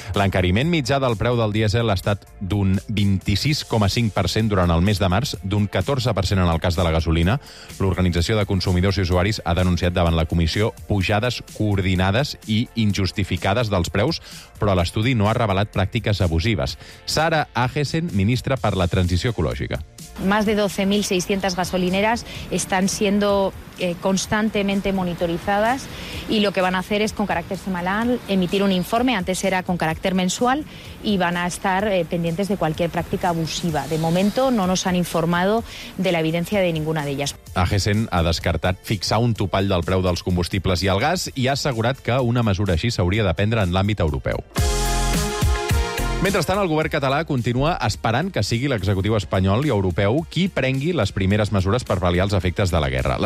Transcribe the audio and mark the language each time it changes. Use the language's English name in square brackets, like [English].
[Catalan] L'encariment mitjà del preu del dièsel ha estat d'un 26,5% durant el mes de març, d'un 14% en el cas de la gasolina. L'Organització de Consumidors i Usuaris ha denunciat davant la comissió pujades coordinades i injustificades dels preus, però l'estudi no ha revelat pràctiques abusives. Sara Agesen, ministra per la Transició Ecològica. [Spanish] Más de 12.600 gasolineras están siendo constantemente monitorizadas y lo que van a hacer es, con carácter semanal, emitir un informe. Antes era con carácter mensual y van a estar pendientes de cualquier práctica abusiva. De momento no nos han informado de la evidencia de ninguna de ellas. [Catalan] Agesen ha descartat fixar un topall del preu dels combustibles i el gas i ha assegurat que una mesura així s'hauria de prendre en l'àmbit europeu. Mentrestant, el govern català continua esperant que sigui l'executiu espanyol i europeu qui prengui les primeres mesures per pal·liar els efectes de la guerra.